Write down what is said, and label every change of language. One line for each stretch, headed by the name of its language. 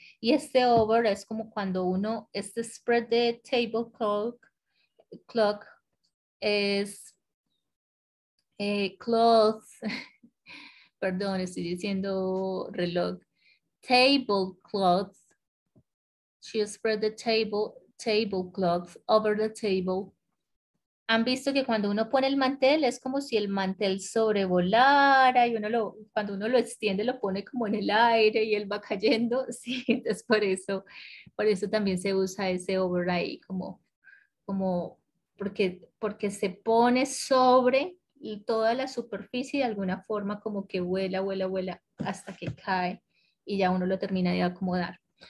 Spanish: Y este over es como cuando uno, este
English: spread the tablecloth
Spanish: es cloth, perdón, estoy diciendo reloj, tablecloth.
English: She spread the tablecloth over the table.
Spanish: ¿Han visto que cuando uno pone el mantel es como si el mantel sobrevolara y cuando uno lo extiende lo pone como en el aire y él va cayendo? Sí, entonces por eso también se usa ese over ahí, como porque se pone sobre toda la superficie y de alguna forma como que vuela, vuela, vuela hasta que cae y ya uno lo termina de acomodar.